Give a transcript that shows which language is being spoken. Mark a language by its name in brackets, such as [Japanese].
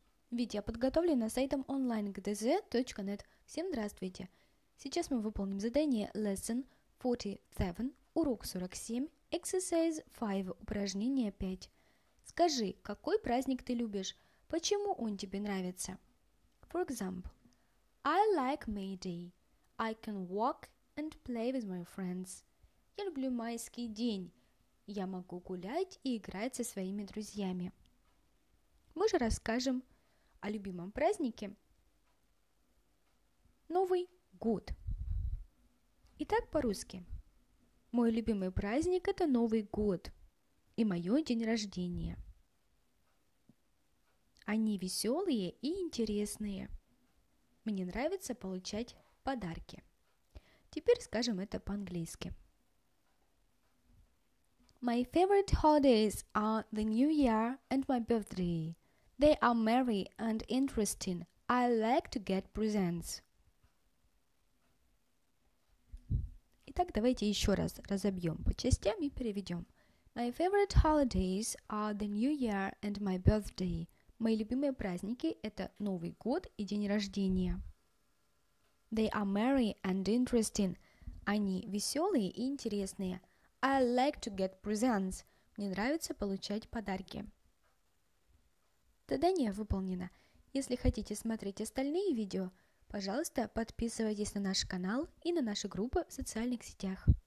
[Russian] Видео подготовлено сайтом online-gdz.net. Всем здравствуйте! Сейчас мы выполним задание Lesson 47, урок 47, Exercise 5, упражнение 5. Скажи, какой праздник ты любишь? Почему он тебе нравится? [English] For example, I like May Day. I can walk and play with my friends. [Russian] Я люблю майский день. Я могу гулять и играть со своими друзьями. Мы же расскажем о любимом празднике Новый год. Итак, по-русски. Мой любимый праздник – это Новый год и мое день рождения. Они веселые и интересные. Мне нравится получать подарки. Теперь скажем это по-английски. [English] My favorite holidays are the New Year and my birthday. They are merry and interesting. I like to get presents. [Russian] Итак, давайте еще раз разобьем по частям и переведем. [English] My favorite holidays are the New Year and my birthday. [Russian] Мои любимые праздники – это Новый год и день рождения. [English] They are merry and interesting. [Russian] Они веселые и интересные. [English] I like to get presents. [Russian] Мне нравится получать подарки. Задание выполнено. Если хотите смотреть остальные видео, пожалуйста, подписывайтесь на наш канал и на наши группы в социальных сетях.